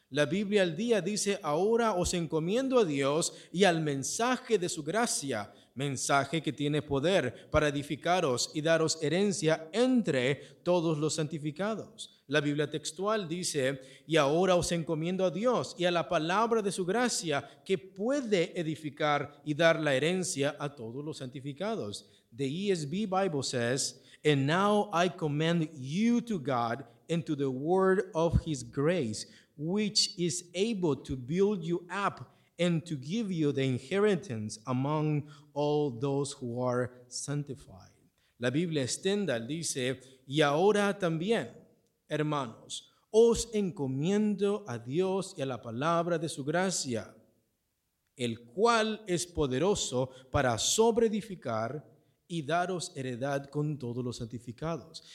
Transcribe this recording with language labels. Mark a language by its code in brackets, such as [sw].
[es] La Biblia al día dice: ahora os encomiendo a Dios y al mensaje de su gracia, mensaje que tiene poder para edificaros y daros herencia entre todos los santificados. La Biblia textual dice: y ahora os encomiendo a Dios y a la palabra de su gracia, que puede edificar y dar la herencia a todos los santificados. [en] The ESV Bible says: and now I commend you to God and to the word of his grace, which is able to build you up and to give you the inheritance among all those who are sanctified. [es] La Biblia Stendhal dice: y ahora también, hermanos, os encomiendo a Dios y a la palabra de su gracia, el cual es poderoso para sobreedificar y daros heredad con todos los santificados.